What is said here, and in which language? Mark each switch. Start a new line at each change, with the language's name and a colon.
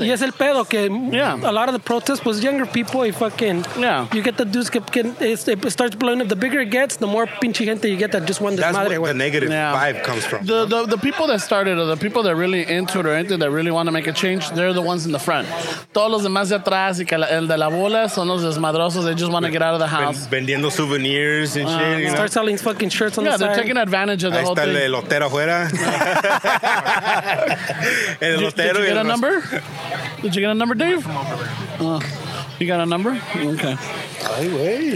Spanish: Y es el pedo que
English: a lot of the protest was younger people. You get the dudes it starts blowing up. The bigger it gets, the more
Spanish: pinche gente
English: you get that just won this. That's where the negative vibe comes from. The people that started, or the people that are really into it or anything, that really want to make a change, they're the ones in the front.
Spanish: Todos los demás de atrás y el de la bola son los desmadrosos.
English: They just want to get out of the house.
Spanish: Vendiendo
English: souvenirs and shit. You start know? Selling fucking shirts on yeah, the side. Yeah, they're taking advantage of the
Spanish: ahí
English: whole thing.
Spanish: Ahí está el lotero afuera. El lotero.
English: Did you get a number? Did you get a number, Dave? You got a number? Okay.
Spanish: Ay, wey.